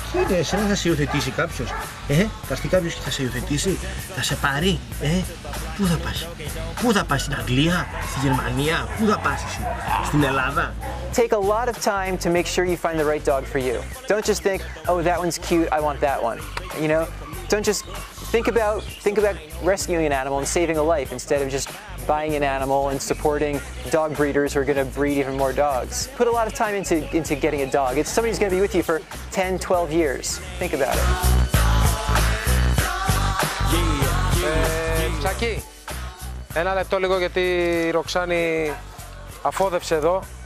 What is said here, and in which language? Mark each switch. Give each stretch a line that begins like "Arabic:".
Greek: Εσένα θα σε υιοθετήσει κάποιος. Θα έρθει κάποιος και θα σε υιοθετήσει. Θα σε πάρει. Πού θα πας. Πού θα πας, στην Αγγλία, στη Γερμανία. Πού θα πας εσύ. Στην Ελλάδα.
English: Take a lot of time to make sure you find the right dog for you. Don't just think, oh, that one's cute, I want that one. You know? Don't just think about rescuing an animal and saving a life instead of just buying an animal and supporting dog breeders who are going to breed even more dogs. Put a lot of time into getting a dog. It's somebody who's going to be with you for 10, 12 years. Think about it.
Greek: Τσακί, ένα λεπτό λίγο γιατί η Ροξάνη αφόδευσε εδώ.